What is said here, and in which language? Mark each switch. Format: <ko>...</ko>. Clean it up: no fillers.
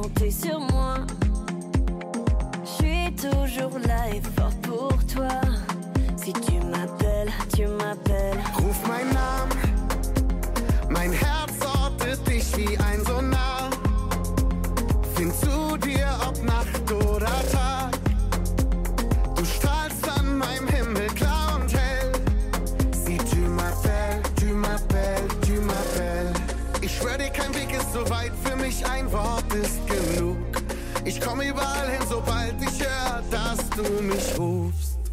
<fr>Sur moi, je suis toujours là et fort pour toi. Si tu m'appelles, tu m'appelles.</fr> <de>Ruf meinen Namen, mein Herz ortet dich wie ein Sonar. Find zu dir, ob Nacht oder Tag. Du strahlst an meinem Himmel klar und hell.</de> <fr>Si tu m'appelles, tu m'appelles, tu m'appelles.</fr> <de>Ich schwör dir, kein Weg ist so weit, für mich ein Wort ist genug. Ich komm überall hin, sobald ich hör, dass du mich rufst.</de>